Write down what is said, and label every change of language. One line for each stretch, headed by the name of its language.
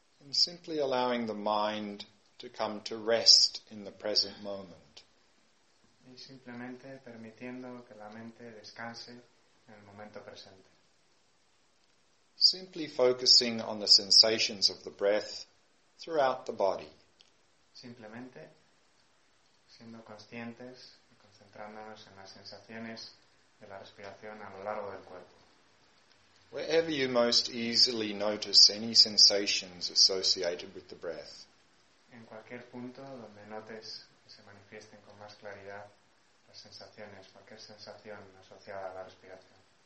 English: Simply allowing the mind to come to rest in the present moment.
Spanish: Y simplemente permitiendo que la mente descanse en el momento presente.
English: Simply focusing on the sensations of the breath throughout the body.
Spanish: Simplemente siendo conscientes y concentrándonos en las sensaciones de la respiración a lo largo del cuerpo.
English: Wherever you most easily notice any sensations associated with the breath.
Spanish: En cualquier punto donde notes que se manifiesten con más claridad las sensaciones, cualquier sensación asociada a la respiración.